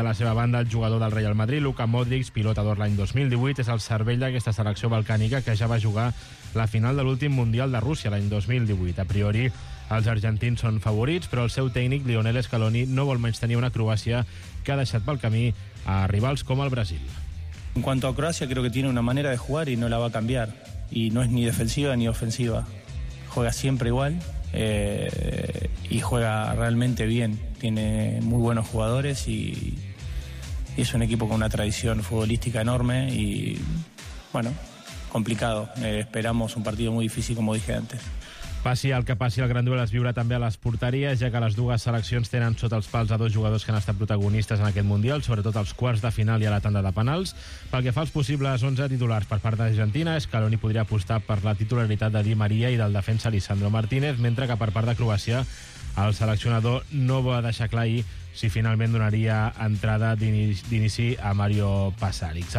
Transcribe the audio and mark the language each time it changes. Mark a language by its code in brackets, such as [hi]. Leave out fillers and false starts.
[ca] De la seva banda, el jugador del Real Madrid, Luka Modric, pilota d'or l'any 2018, és el cervell d'aquesta selecció balcànica que ja va jugar la final de l'últim Mundial de Rússia l'any 2018. A priori, els argentins són favorits, però el seu tècnic, Lionel Scaloni, no vol menys tenir una Croàcia que ha deixat pel camí a rivals com el Brasil. [es] En cuanto a Croacia, creo que tiene una manera de jugar y no la va a cambiar. Y no es ni defensiva ni ofensiva. Juega siempre igual y juega realmente bien. Tiene muy buenos jugadores y es un equipo con una tradición futbolística enorme y, bueno, complicado. Esperamos un partido muy difícil, como dije antes. [ca] Passi el que passi, el gran duel es viurà també a les porteries, ja que les dues seleccions tenen sota els pals a dos jugadors que han estat protagonistes en aquest Mundial, sobretot als quarts de final i a la tanda de penals. Pel que fa als possibles 11 titulars per part d'Argentina, Scaloni podria apostar per la titularitat de Di Maria i del defensa Lisandro Martínez, mentre que per part de Croàcia el seleccionador no va deixar clar ahir si finalment donaria entrada d'inici a Mario Pasarić.